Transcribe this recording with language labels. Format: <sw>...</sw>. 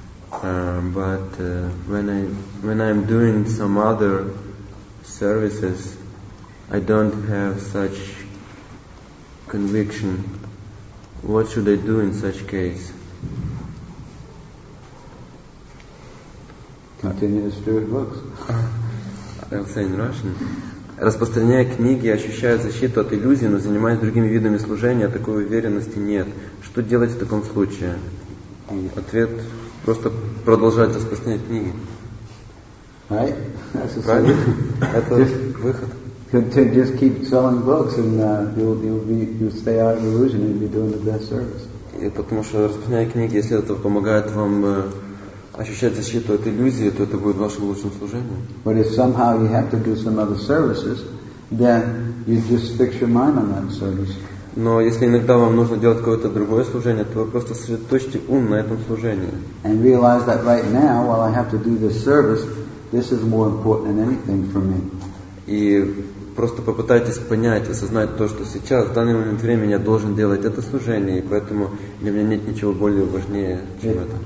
<en>But when I'm doing some other services, I don't have such conviction. What should I do in such case? Continue to distribute books. I'll say in Russian.</en> <ru>Распространяя книги, ощущая защиту от иллюзий, но занимаясь другими видами служения, такой уверенности нет. Что делать в таком случае? Ответ – просто продолжать распространять книги.</ru> <en>Right?</en> <ru>Правильно? Это выход.</ru> <en>Just keep selling books, and you'll stay out of illusion, and you'll be doing the best service.</en> <ru>И потому что распространяя книги, если это помогает вам ощущать защиту от иллюзии, то это будет вашим лучшим служением.</ru> <en>But if somehow you have to do some other services, then you just fix your mind on that service.</en> <ru>Но если иногда вам нужно делать какое-то другое служение, то вы просто сосредоточьте ум на этом служении.</ru> <en>And realize that right now, while I have to do this service, this is more important than anything for me.</en> <ru>И просто попытайтесь понять, осознать то, что сейчас, в данный момент времени, я должен делать это служение, и поэтому для меня нет ничего более важнее, чем это.</ru>